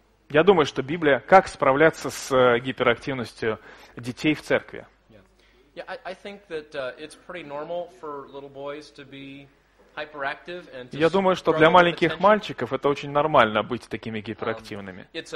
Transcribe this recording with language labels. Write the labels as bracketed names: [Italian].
[Russian] Я думаю, что Библия «Как справляться с гиперактивностью детей в церкви». [English] Yeah, I think that it's pretty normal for little boys to be hyperactive and to. [Russian] Я думаю, что для маленьких мальчиков это очень нормально быть такими гиперактивными.